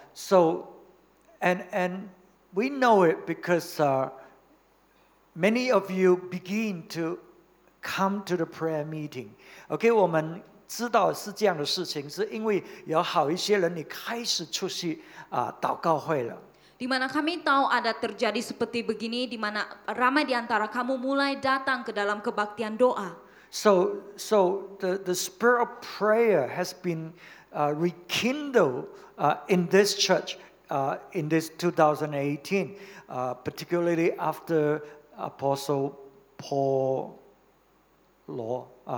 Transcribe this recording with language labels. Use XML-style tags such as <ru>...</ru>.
<en>So, and we know it because many of you begin to come to the prayer meeting.</en> <zh>Okay, 我们知道是这样的事情，是因为有好一些人你开始出席祷告会了。</zh> <id>Di mana kami tahu ada terjadi seperti begini, di mana ramai di antara kamu mulai datang ke dalam kebaktian doa.</id> <en>So the spirit of prayer has been rekindled in this church in this 2018, particularly after Apostle Paul Law.</en>